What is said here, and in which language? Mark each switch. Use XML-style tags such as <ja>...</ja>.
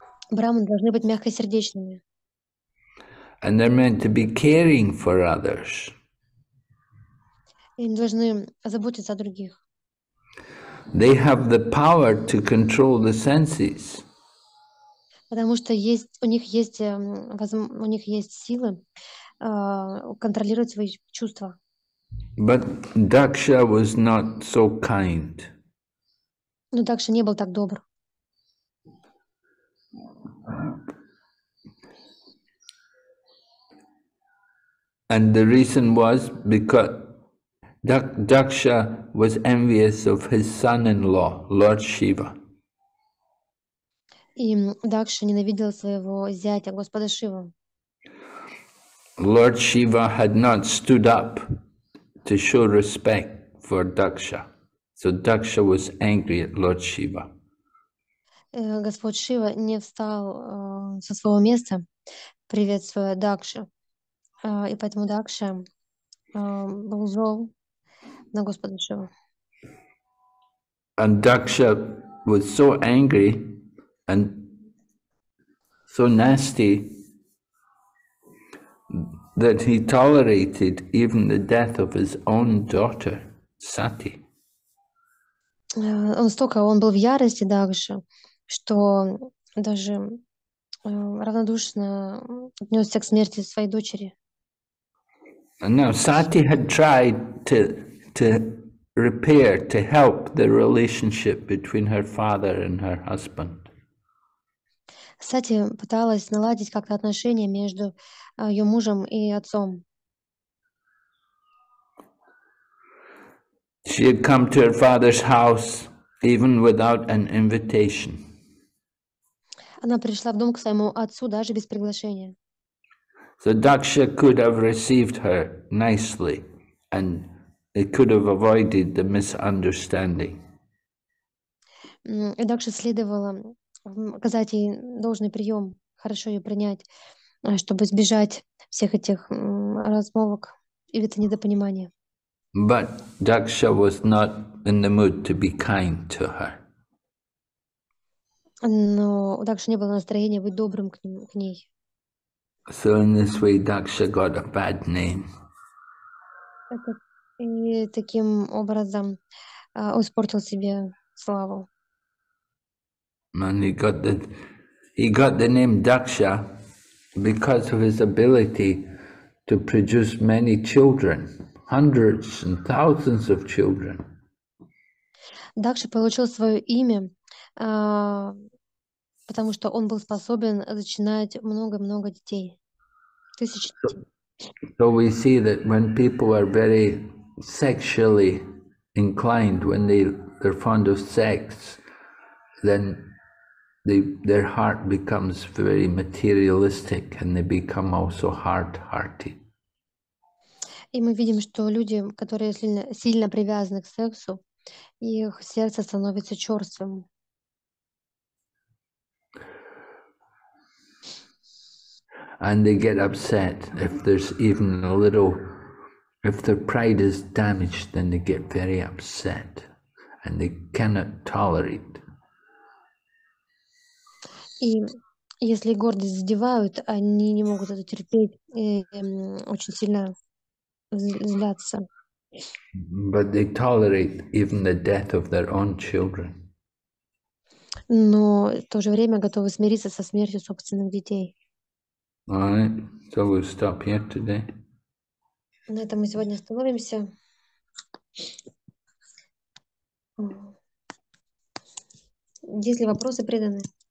<ru>Брахманы должны быть мягкосердечными.</ru> <en>And they're meant to be caring for others.</en> <ru>Они должны заботиться о других.</ru> <en>They have the power to control the senses.</en> <ru>Потому что есть у них есть у них есть силы контролировать свои чувства.</ru> <en>But Daksha was not so kind.</en> <ru>Но Дакша не был так добр.</ru> <en>And the reason was because Daksha was envious of his son-in-law, Lord Shiva.</en> <ru>И Дакша ненавидел своего зятя, Господа Шиву.</ru> <en>Lord Shiva had not stood up to show respect for Daksha. So Daksha was angry at Lord Shiva.</en> <ru>Господь Шива не встал со своего места, приветствуя Дакшу. И поэтому Дакша был зол на Господа Шиву.</ru> <en>And Daksha was so angry and so nasty that he tolerated even the death of his own daughter, Sati.</en> <ru>Он был в ярости, Дакша, что даже равнодушно отнесся к смерти своей дочери.</ru> <en>And now Sati had tried to repair, to help the relationship between her father and her husband.</en> <ru>Сати пыталась наладить как-то отношения между ее мужем и отцом.</ru> <en>She had come to her father's house even without an invitation.</en> <ru>Она пришла в дом к своему отцу даже без приглашения.</ru> <en>So Daksha could have received her nicely and it could have avoided the misunderstanding.</en> <ru>И Дакша следовало оказать ей должный прием, хорошо ее принять, чтобы избежать всех этих размолвок или это недопонимание.</ru> <en>But Daksha was not in the mood to be kind to her.</en> <ru>Но у Дакши не было настроения быть добрым к ней.</ru> <en>So in this way Daksha got a bad name.</en> <ru>И таким образом испортил себе славу.</ru> <en>And he got the name Daksha because of his ability to produce many children, hundreds and thousands of children.</en> <ru>Дакша получил свое имя, потому что он был способен зачинать много-много детей, тысячи детей.</ru> <en>So we see that when people are very sexually inclined, when they're fond of sex, then their heart becomes very materialistic and they become also hard-hearted.</en> <ru>И мы видим, что люди, которые сильно привязаны к сексу, их сердце становится чёрствым.</ru> <en>And they get upset if there's even a little, if their pride is damaged, then they get very upset and they cannot tolerate.</en> <ru>И если гордость задевают, они не могут это терпеть и очень сильно злятся.</ru> <en>But they tolerate even the death of their own children.</en> <ru>Но в то же время готовы смириться со смертью собственных детей.</ru> <en>All right, so we'll stop here today.</en> <ru>На этом мы сегодня остановимся. Есть ли вопросы преданные?</ru>